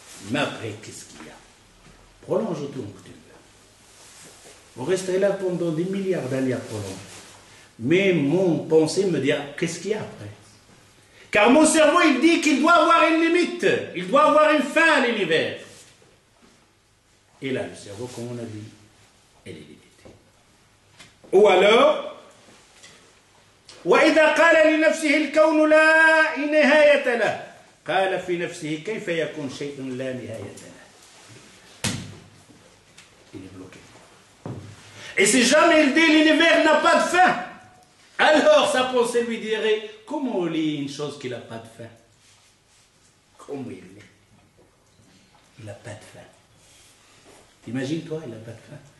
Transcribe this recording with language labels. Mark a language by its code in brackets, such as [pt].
[fr] Mais après, qu'est-ce qu'il y a? Prolonge autant que tu veux. Vous resterez là pendant des milliards d'années à prolonger. Mais mon pensée me dit, qu'est-ce qu'il y a après? Car mon cerveau, il dit qu'il doit avoir une limite, il doit avoir une fin à l'univers. Et là, le cerveau, comme on a dit, elle est limitée. Ou alors, [ar] وإذا قال لنفسه الكون لا نهاية له قال في نفسه كيف يكون شيء لا نهاية له [fr] Et si jamais il dit l'univers n'a pas de fin, alors sa pensée lui dirait, comment on lit une chose qui n'a pas de fin? Comment il lit? Il n'a pas de fin. Imagine-toi, il n'a pas de fin.